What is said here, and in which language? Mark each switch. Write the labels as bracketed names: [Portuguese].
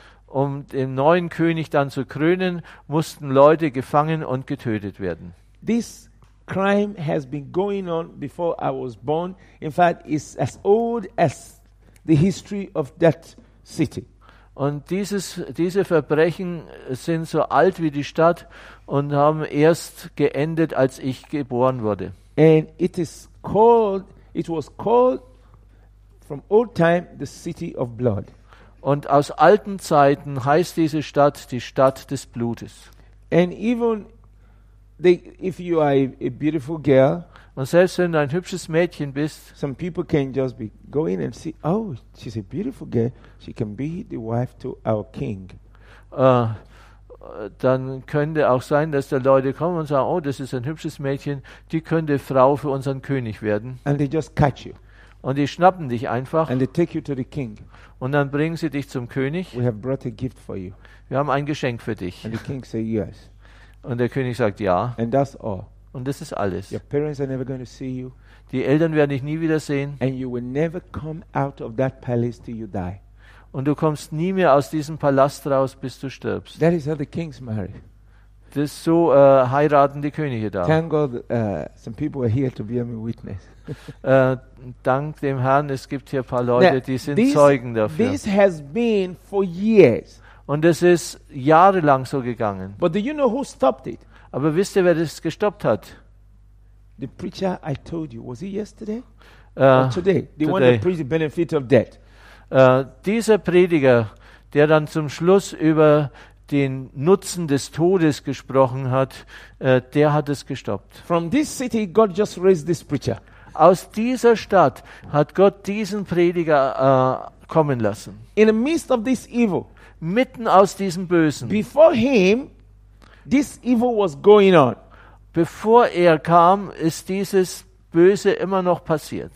[German] Um den neuen König dann zu krönen, mussten Leute gefangen und getötet werden. [English] This crime has been going on before I was born. In fact, it's as old as the history of that city. [German] Und diese Verbrechen sind so alt wie die Stadt und haben erst geendet, als ich geboren wurde. [English] And it was called from old time the city of blood. [German] Und aus alten Zeiten heißt diese Stadt die Stadt des Blutes. [English] And even if you are a beautiful girl, [German] und selbst wenn du ein hübsches Mädchen bist, [English] some people can just be going and see, oh, she's a beautiful girl, she can be the wife to our king. [German] Dann könnte auch sein, dass da Leute kommen und sagen, oh, das ist ein hübsches Mädchen, die könnte Frau für unseren König werden. [English] And they just catch you. [German] Und die schnappen dich einfach. [English] And they take you to the king. [German] Und dann bringen sie dich zum König. [English] We have brought a gift for you. [German] Wir haben ein Geschenk für dich. [English] And the king say yes. [German] Und der König sagt ja. [English] And that's all. [German] Und das ist alles. [English] Your parents are never going to see you. [German] Die Eltern werden dich nie wiedersehen. [English] And you will never come out of that palace till you die. [German] Und du kommst nie mehr aus diesem Palast raus, bis du stirbst. [English] That is how the kings marry. [German] Das ist so heiraten die Könige da. [English] Thank God, some people are here to be my witness. [German] Dank dem Herrn, es gibt hier ein paar Leute, now, die sind Zeugen dafür. [English] This has been for years. [German] Und es ist jahrelang so gegangen. [English] But do you know who stopped it? [German] Aber wisst ihr, wer das gestoppt hat? [English] The preacher I told you, was he yesterday? Today? The today. One that preached the benefit of death. [German] Dieser Prediger, der dann zum Schluss über den Nutzen des Todes gesprochen hat, der hat es gestoppt. [English] From this city, God just raised this preacher. [German] Aus dieser Stadt hat Gott diesen Prediger kommen lassen. [English] In the midst of this evil. [German] Mitten aus diesem Bösen. [English] Before him, this evil was going on. [German] Bevor er kam, ist dieses Böse immer noch passiert.